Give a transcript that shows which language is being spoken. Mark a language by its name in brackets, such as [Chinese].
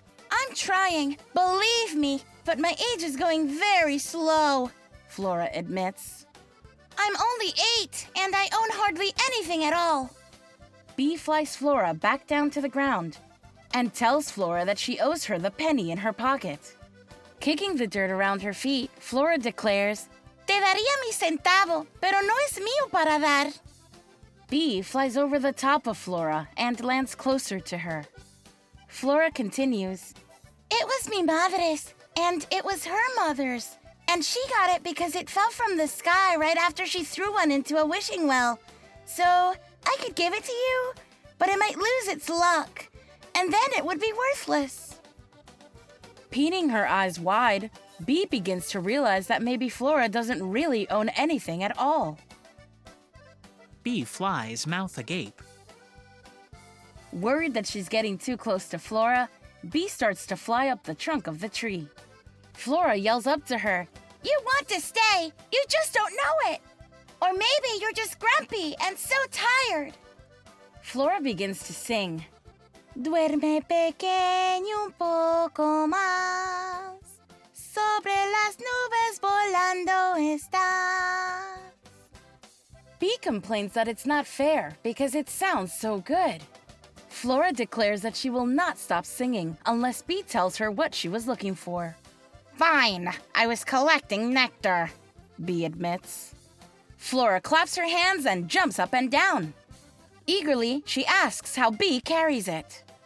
[English] I'm trying, believe me, but my age is going very slow, Flora admits. I'm only 8, and I own hardly anything at all. Bee flies Flora back down to the ground and tells Flora that she owes her the penny in her pocket. Kicking the dirt around her feet, Flora declares, [Spanish] Te daría mi centavo, pero no es mío para dar. [English] Bee flies over the top of Flora and lands closer to her. Flora continues, It was [Spanish] mi madre's, [English] and it was her mother's, and she got it because it fell from the sky right after she threw one into a wishing well. So, I could give it to you, but it might lose its luck, and then it would be worthless. Peening her eyes wide, Bee begins to realize that maybe Flora doesn't really own anything at all. Bee flies, mouth agape. Worried that she's getting too close to Flora, Bee starts to fly up the trunk of the tree. Flora yells up to her, You want to stay, you just don't know it! Or maybe you're just grumpy and so tired! Flora begins to sing, [Spanish] Duerme pequeño un poco más, sobre las nubes volando estás. [English] Bee complains that it's not fair because it sounds so good. Flora declares that she will not stop singing unless Bee tells her what she was looking for. Fine, I was collecting nectar, Bee admits. Flora claps her hands and jumps up and down. Eagerly, she asks how Bee carries it.